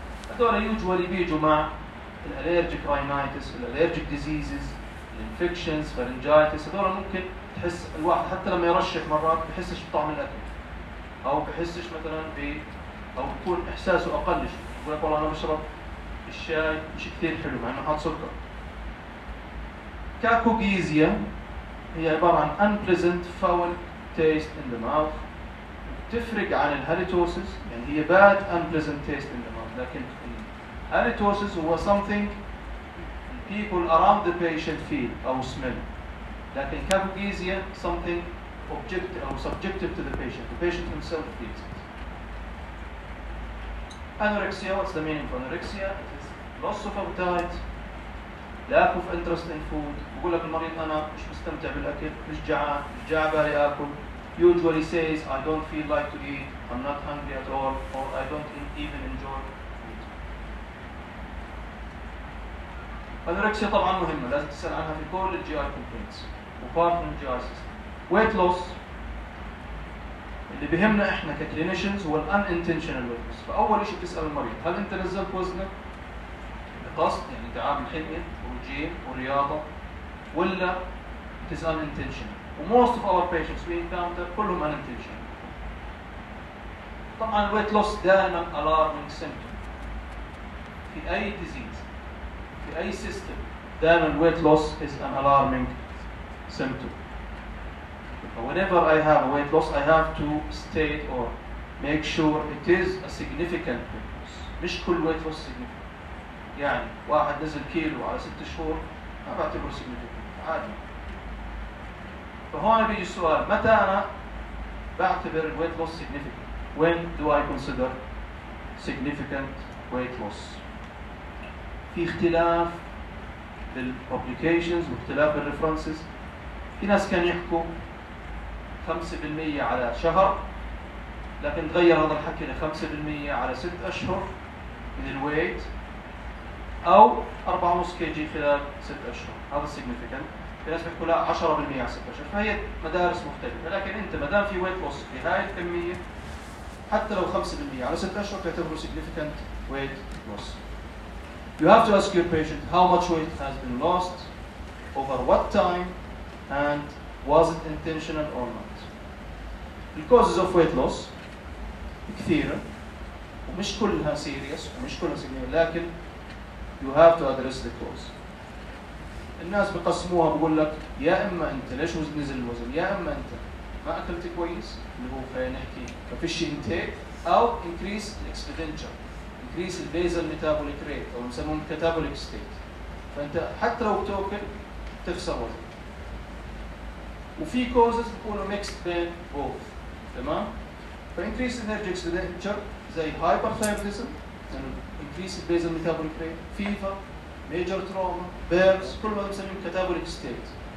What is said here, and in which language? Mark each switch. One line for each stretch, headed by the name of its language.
Arabic: هذول usually بيجوا مع الallergic rhinitis الallergic diseases الinfections pharyngitis هذول ممكن تحس الواحد حتى لما يرشح مرات بحسش بطعم الأكل أو بحسش مثلا ب أو بكون إحساسه أقل شيء يقول لك والله أنا بشرب الشاي مش كثير حلو مع إنه حاط سكر. كاكوجيزيا هي عبارة عن
English: unpleasant foul taste in the mouth.
Arabic: تفرق عن الهاليتوسيس يعني هي
English: bad unpleasant taste in the mouth
Arabic: لكن الهاليتوسيس هو
English: something people around the patient feel or smell
Arabic: لكن كابوكيزيا
English: something objective or subjective to the patient himself feels it. Anorexia, what's the meaning of anorexia? It is loss of appetite, lack of interest in food.
Arabic: بقول لك المريض أنا مش مستمتع بالأكل، مش جعان، مش جعان بالي أكل.
English: Usually says I don't feel like to eat, I'm not hungry at all, or I don't even enjoy food.
Arabic: Anorexia طبعا مهمة، لازم تسأل عنها في كل الجي آي كومبلينتس، وبارت من الجي آي سيستم.
English: Weight loss
Arabic: اللي بهمنا احنا كلينيشنز هو
English: unintentional weight loss.
Arabic: فأول شيء بتسأل المريض هل أنت نزلت وزنك بقصد يعني تعب الحمية والجيم والرياضة ولا
English: it is unintentional. Most of our patients we encounter
Arabic: كلهم
English: unintentional.
Arabic: طبعا الويت لوس دائما
English: alarming symptom في أي disease في أي system
Arabic: دائما الويت لوس
English: is an alarming symptom. Whenever I have a weight loss, I have to state or make sure it is a significant weight loss.
Arabic: مش كل
English: weight loss significant.
Arabic: يعني واحد نزل كيلو على ست شهور ما بعتبره significant. عادي. فهون بيجي السؤال متى أنا بعتبر
English: weight loss significant? When do I consider significant weight loss?
Arabic: في اختلاف بالpublications واختلاف بالreferences. في ناس كان يحكوا 5% على شهر لكن تغير هذا الحكي ل 5% على 6 أشهر من الويت أو 4.5 كيجي خلال 6 أشهر هذا السيجنيفيكانت في ناس بيحكوا لا 10% على 6 أشهر فهي مدارس مختلفة لكن أنت ما دام في ويت لوس في هاي الكمية حتى لو 5% على 6 أشهر تعتبره سيجنيفيكانت ويت لوس.
English: You have to ask your patient how much weight has been lost over what time and was it intentional or not. The causes of weight loss
Arabic: كثيرة ومش كلها
English: serious ومش كلها significant لكن you have to address the cause.
Arabic: الناس بقسموها بقول لك يا إما أنت ليش وزن نزل الوزن يا إما أنت ما أكلت كويس اللي هو خلينا نحكي
English: deficient intake
Arabic: أو
English: increase expenditure increase the basal metabolic rate
Arabic: أو نسموه
English: metabolic state.
Arabic: فأنت حتى لو بتاكل تخسر وزن وفي
English: causes بيكونوا mixed بين both تمام؟ فـ increase energy expenditure زي hyperthyroidism يعني increase basal metabolic rate fever major trauma burns
Arabic: كل ما نسميهم
English: catabolic state